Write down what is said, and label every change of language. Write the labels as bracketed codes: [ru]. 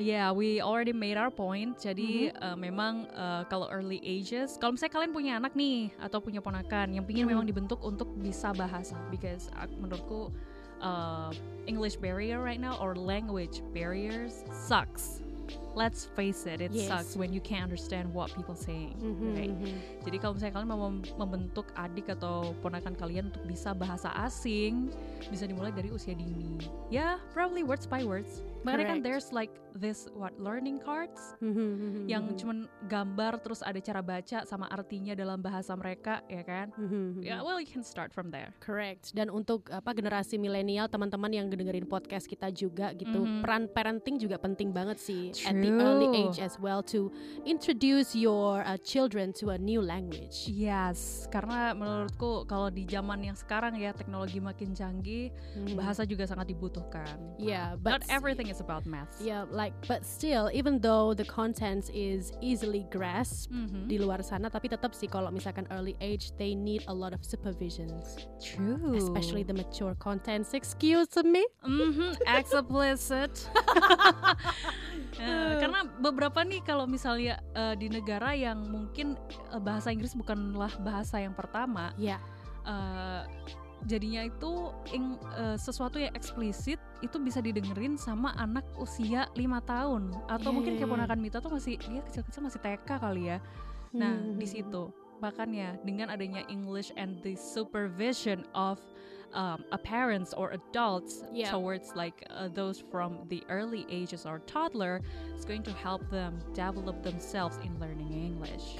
[en] Yeah, we already made our point. [id] Jadi memang kalau early ages, kalau misalnya kalian punya anak nih atau punya ponakan yang pingin memang dibentuk untuk bisa bahasa, because menurutku [en] English barrier right now or language barriers sucks. Let's face it, it sucks when you can't understand what people saying. [id] Jadi kalau misalnya kalian mau membentuk adik atau ponakan kalian untuk bisa bahasa asing, bisa dimulai dari usia dini. [en] Yeah, probably words by words. [id] Makanya kan [en] there's like this what learning cards [id] yang cuman gambar terus ada cara baca sama artinya dalam bahasa mereka, ya kan? [en] Yeah, well you can start from there. [id] Correct. Dan untuk apa generasi milenial, teman-teman yang dengerin podcast kita juga gitu, peran parenting juga penting banget sih. [en] True. At the early age as well to introduce your children to a new language. [id] Yes, karena menurutku kalau di zaman yang sekarang ya teknologi makin canggih, bahasa juga sangat dibutuhkan. [en] Yeah, but not everything is about math. Yeah, like but still even though the content is easily grasped [id] di luar sana, tapi tetap sih kalau misalkan [en] early age they need a lot of supervisions. True. Especially the mature contents, excuse me. Explicit. [id] Karena beberapa nih kalau misalnya di negara yang mungkin bahasa Inggris bukanlah bahasa yang pertama, jadinya itu sesuatu yang eksplisit itu bisa didengerin sama anak usia 5 tahun atau mungkin keponakan Mita tuh masih dia kecil-kecil masih TK kali ya. [en] Nah, [id] di situ makanya dengan adanya [en] English and the supervision of a parents or adults towards like those from the early ages or toddler, it's going to help them develop themselves in learning English.